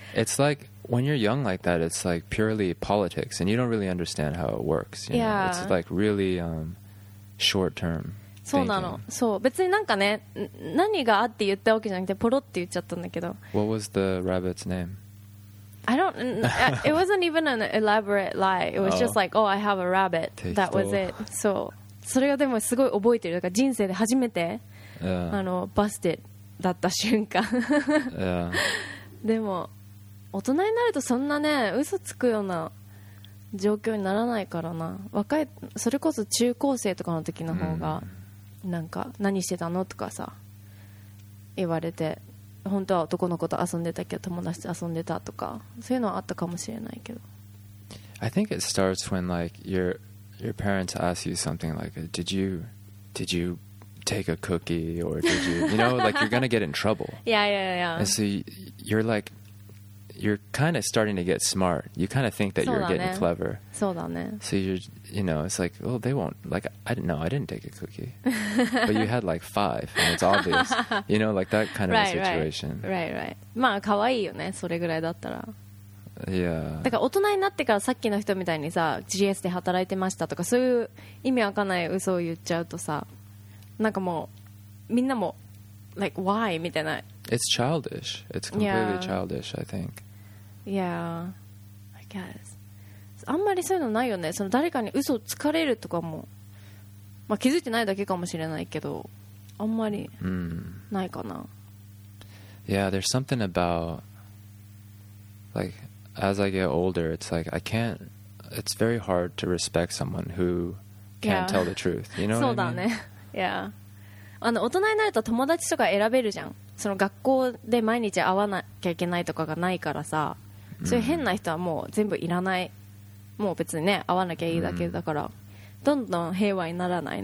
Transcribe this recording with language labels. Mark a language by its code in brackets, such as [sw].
[en] It's like when you're young like that, it's like purely politics and you don't really understand how it works, you know? Yeah. It's like really、short term thinking. [ja] そうなの。そう、別になんかね、何があって言ったわけじゃなくてポロって言っちゃったんだけど。 [en] What was the rabbit's name? I don't. It wasn't even an elaborate lie. It was just like, oh, I have a rabbit. That was it. [ja] So, それがでもすごい覚えてる。だから人生で初めて、 [en] yeah. [ja] あの busted だった瞬間。 [en] yeah. [ja] でも大人になるとそんなね嘘つくような状況にならないからな。若いそれこそ中高生とかの時の方が、mm. なんか何してたのとかさ言われて。本当は男の子と遊んでたけど友達と遊んでたとかそういうのはあったかもしれないけど。 [en] I think it starts when like your parents ask you something like did you take a cookie or did you you know like you're gonna get in trouble. Yeah, yeah, yeah. And so you're like you're kind of starting to get smart. You kind of think that you're getting clever. [ja] そうだね。 [en] So you're you know it's like oh they won't like I didn't know I didn't take a cookie. But you had like five and it's obvious. You know like that kind of right, a situation. Right. [ja] まあ可愛いよねそれぐらいだったら。 [en] Yeah. [ja] だから大人になってからさっきの人みたいにさ GS で働いてましたとかそういう意味わかんない嘘を言っちゃうとさなんかもうみんなも [en] like why [ja] みたいな。 [en] It's childish. It's completely yeah. childish, I think. Yeah, I guess. [ja] あんまりそういうのないよね。その誰かに嘘をつかれるとかも、まあ、気づいてないだけかもしれないけど、あんまりないかな。 [en] Yeah, there's something about, like, as I get older, it's like, I can't, it's very hard to respect someone who can't tell the truth. You know what I mean? [ja] そうだね。Yeah. あの大人になると友達とか選べるじゃん。その学校で毎日会わなきゃいけないとかがないからさ、そういう変な人はもう全部いらない。もう別にね会わなきゃいいだけだから、どんどん平和にならない。